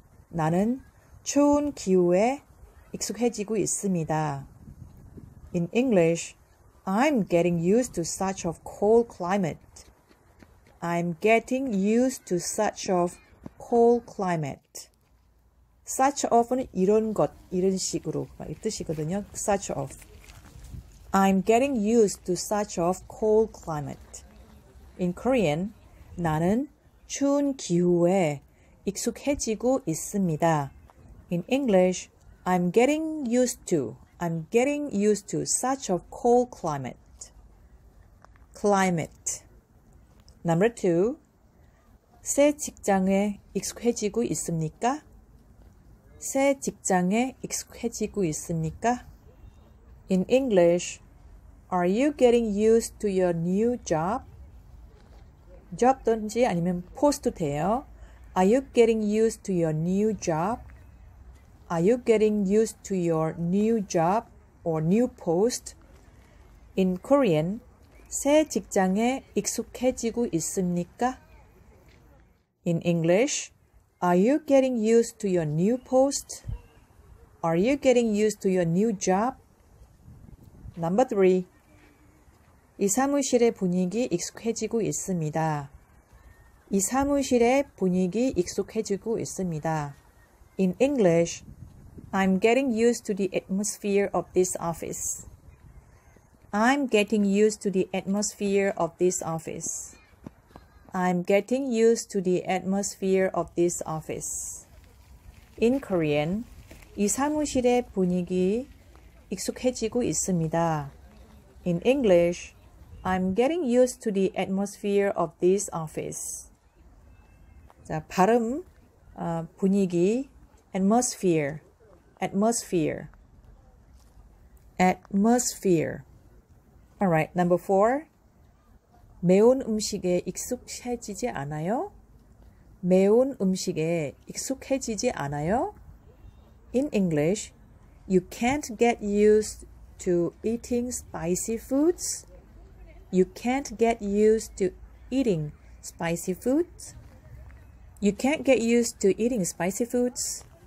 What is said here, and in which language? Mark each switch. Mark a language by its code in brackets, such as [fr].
[ko] 나는 추운 기후에 익숙해지고 있습니다. [en] In English, I'm getting used to such a cold climate. I'm getting used to such a cold climate. [ko] Such of는 이런 것, 이런 식으로 이 뜻이거든요. Such of. [en] I'm getting used to such a cold climate. In Korean, [ko] 나는 추운 기후에 익숙해지고 있습니다. [en] In English, I'm getting used to. I'm getting used to such a cold climate. Climate. Number two. [ko] 새 직장에 익숙해지고 있습니까? 새 직장에 익숙해지고 있습니까? [en] In English, are you getting used to your new job? [ko] Job든지 아니면 포스트 돼요. [en] Are you getting used to your new job? Are you getting used to your new job or new post? In Korean, [ko] 새 직장에 익숙해지고 있습니까? [en] In English, are you getting used to your new post? Are you getting used to your new job? Number 3. [ko] 이 사무실의 분위기 익숙해지고 있습니다. 이 사무실의 분위기 익숙해지고 있습니다. [en] In English, I'm getting used to the atmosphere of this office. I'm getting used to the atmosphere of this office. I'm getting used to the atmosphere of this office. In Korean, [ko] 이 사무실의 분위기 익숙해지고 있습니다. [en] In English, I'm getting used to the atmosphere of this office. [ko] 자, 발음, 분위기, atmosphere, atmosphere, atmosphere. [en] Alright, number 4. [ko] 매운 음식에 익숙해지지 않아요? 매운 음식에 익숙해지지 않아요? [en] In English, you can't get used to eating spicy foods. You can't get used to eating spicy foods. You can't get used to eating spicy foods.